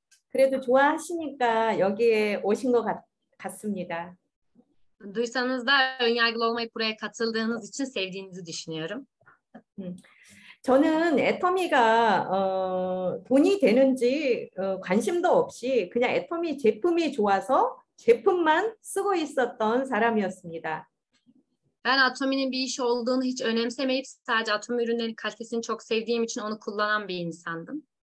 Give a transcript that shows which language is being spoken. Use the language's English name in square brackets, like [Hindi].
[Korean] 그래도 좋아하시니까 여기에 오신 것 같습니다. [Turkish] 두이산은 다 önyargılı olmayıp buraya katıldığınız için sevdiğinizi düşünüyorum. [Korean] 저는 애터미가 돈이 되는지 관심도 없이 그냥 애터미 제품이 좋아서 제품만 쓰고 있었던 사람이었습니다. [Turkish] Ben Atomi'nin bir iş olduğunu hiç önemsemeyip sadece Atomi ürünlerinin kalitesini çok sevdiğim için onu kullanan bir insandım.